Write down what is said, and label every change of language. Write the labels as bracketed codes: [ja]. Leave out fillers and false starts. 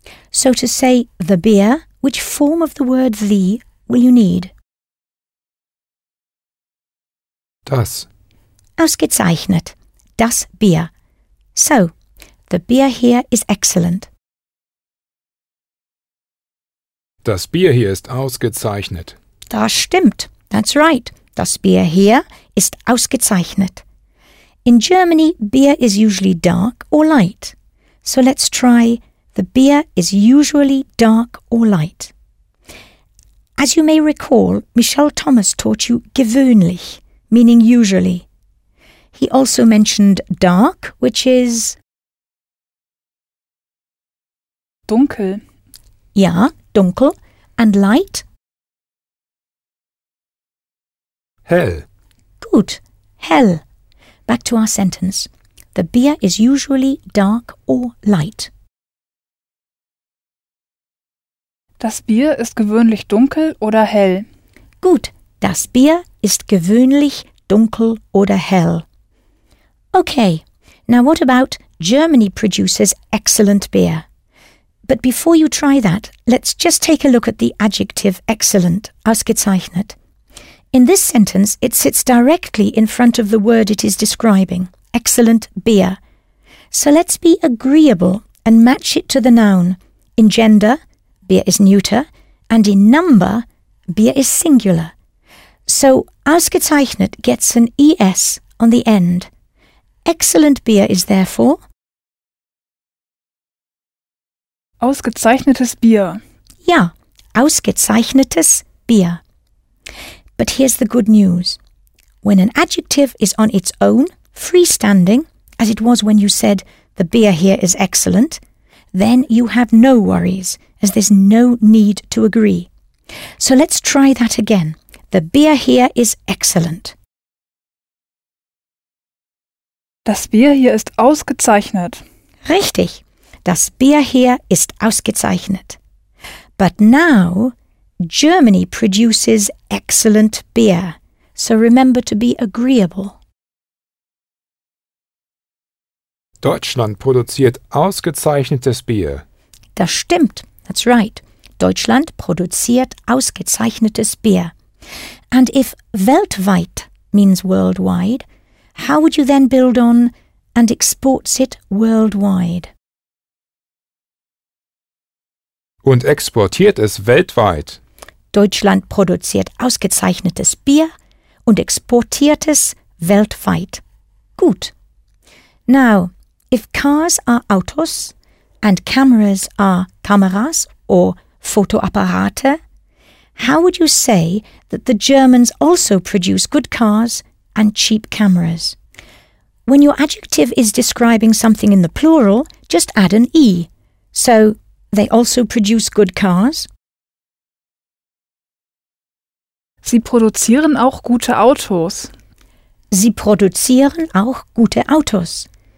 [en] So to say the beer, which form of the word the will you need? [de] Das. Ausgezeichnet. Das Bier. [en] So, the beer here is excellent. [de] Das Bier hier ist ausgezeichnet. Das stimmt. [en] That's right. [de] Das Bier hier ist ausgezeichnet. [en] In Germany, beer is usually dark or light. So let's try, the beer is usually dark or light. As you may recall, Michel Thomas taught you gewöhnlich, meaning usually. He also mentioned dark, which is... [de] dunkel. Ja, dunkel. [en] And light? [de] Hell. [en] Good. Hell. Back to our sentence. The beer is usually dark or light. [de] Das Bier ist gewöhnlich dunkel oder hell. [en] Good. [de] Das Bier ist gewöhnlich dunkel oder hell. [en] Okay. Now what about Germany produces excellent beer? But before you try that, let's just take a look at the adjective excellent, ausgezeichnet. In this sentence, it sits directly in front of the word it is describing, excellent beer. So let's be agreeable and match it to the noun. In gender, beer is neuter, and in number, beer is singular. So ausgezeichnet gets an ES on the end. Excellent beer is therefore... [de] ausgezeichnetes Bier. Ja, ausgezeichnetes Bier. [en] But here's the good news. When an adjective is on its own, freestanding, as it was when you said, the beer here is excellent, then you have no worries, as there's no need to agree. So let's try that again. The beer here is excellent. [de] Das Bier hier ist ausgezeichnet. Richtig. Das Bier hier ist ausgezeichnet. [en] But now, Germany produces excellent beer. so remember to be agreeable. [de] Deutschland produziert ausgezeichnetes Bier. Das stimmt, [en] that's right. [de] Deutschland produziert ausgezeichnetes Bier. [en] And if weltweit means worldwide, how would you then build on and exports it worldwide? [de] Und exportiert es weltweit. Deutschland produziert ausgezeichnetes Bier und exportiert es weltweit. Gut. [en] Now, if cars are autos and cameras are cameras or Fotoapparate, how would you say that the Germans also produce good cars and cheap cameras? When your adjective is describing something in the plural, just add an E. So, they also produce good cars? [de] Sie produzieren auch gute Autos. Sie produzieren auch gute Autos.